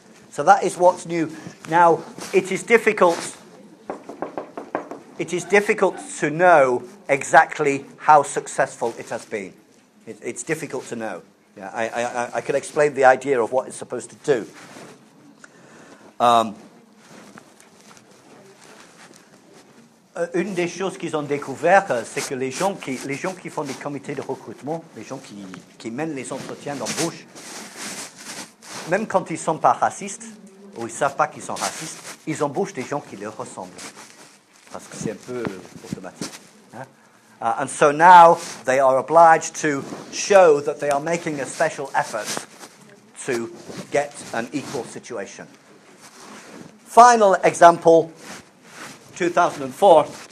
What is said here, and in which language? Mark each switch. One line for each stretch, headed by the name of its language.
English: So that is what's new. Now, it is difficult to know exactly how successful it has been. It's difficult to know. Yeah, I can explain the idea of what it's supposed to do.
French: Une des choses qu'ils ont découvert, c'est que les gens qui font des comités de recrutement, les gens qui mènent les entretiens d'embauche, même quand ils ne sont pas racistes, ou ils ne savent pas qu'ils sont racistes, ils embauchent des gens qui leur ressemblent. parce que c'est un peu automatique.
English: And so now they are obliged to show that they are making a special effort to get an equal situation. Final example, 2004.